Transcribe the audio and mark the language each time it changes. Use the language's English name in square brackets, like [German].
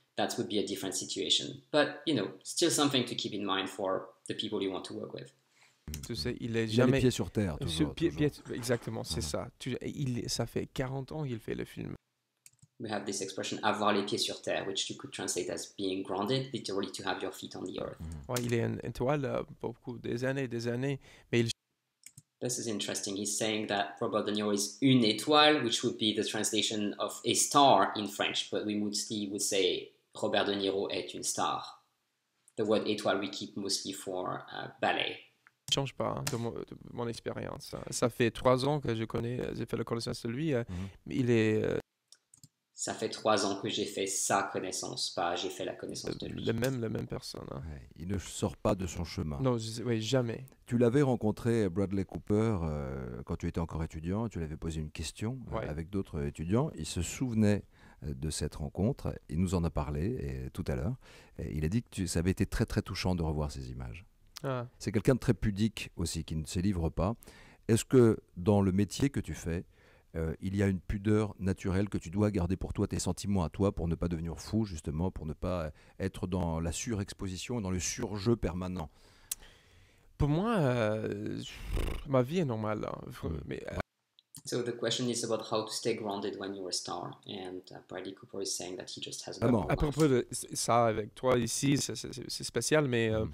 [English] That would be a different situation. But, you know, still something to keep in mind for the people you want to work with. [French] Tu sais, il est jamais... Il a les pieds sur terre, toujours. Exactement, c'est ça. Ça fait 40 ans qu'il fait le film. [English] We have this expression [French] avoir les pieds sur terre, [English] which you could translate as being grounded, literally to have your feet on the earth. [French] Ouais, il est une étoile beaucoup des années, mais il... [English] This is interesting. He's saying that Robert De Niro is une étoile, which would be the translation of a star in French, but we mostly would say Robert De Niro [French] est une star. [English] The word étoile we keep mostly for ballet. [French] Change pas hein, de mon expérience. Ça fait 3 ans que je connais, j'ai fait la connaissance de lui. Mm-hmm. Il est Ça fait 3 ans que j'ai fait sa connaissance, pas j'ai fait la connaissance de lui. La même personne. Hein. Ouais, il ne sort pas de son chemin. Non, oui, jamais. Tu l'avais rencontré, Bradley Cooper, quand tu étais encore étudiant. Tu lui avais posé une question avec d'autres étudiants. Il se souvenait de cette rencontre. Il nous en a parlé tout à l'heure. Et il a dit que ça avait été très, très touchant de revoir ces images. Ah. C'est quelqu'un de très pudique aussi, qui ne se livre pas. Est-ce que dans le métier que tu fais, il y a une pudeur naturelle que tu dois garder pour toi, tes sentiments à toi, pour ne pas devenir fou, justement, pour ne pas être dans la surexposition, dans le surjeu permanent. Pour moi, ma vie est normale. Mais, [English] So the question is about how to stay grounded when you're a star. And Bradley Cooper is saying that he just has a normal life. [French] À propos de ça, avec toi ici, c'est spécial, mais...